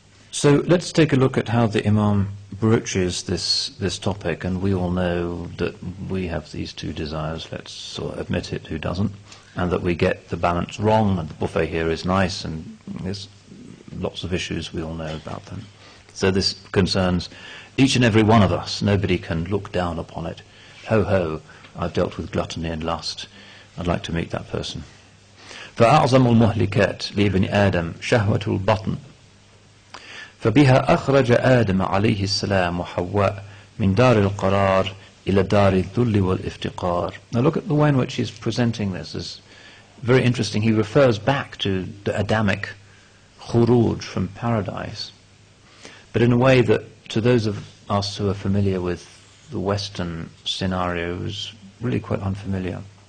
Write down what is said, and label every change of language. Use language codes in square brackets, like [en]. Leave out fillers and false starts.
[en] So let's take a look at how the Imam broaches this topic, and we all know that we have these two desires, let's sort of admit it, who doesn't, and that we get the balance wrong, and the buffet here is nice, and there's lots of issues, we all know about them. So this concerns each and every one of us. Nobody can look down upon it. Ho ho, I've dealt with gluttony and lust. I'd like to meet that person. [ar] فَأَعْظَمُ الْمُهْلِكَتْ لِيبْنِ آدَمْ شَهْوَةُ الْبَطْنِ فبها أخرج آدم عليه السلام وحواء من دار القرار إلى دار الذل والافتقار. [en] Now look at the way in which he's presenting this. It's very interesting. He refers back to the Adamic khuruj from paradise, but in a way that to those of us who are familiar with the Western scenario is really quite unfamiliar.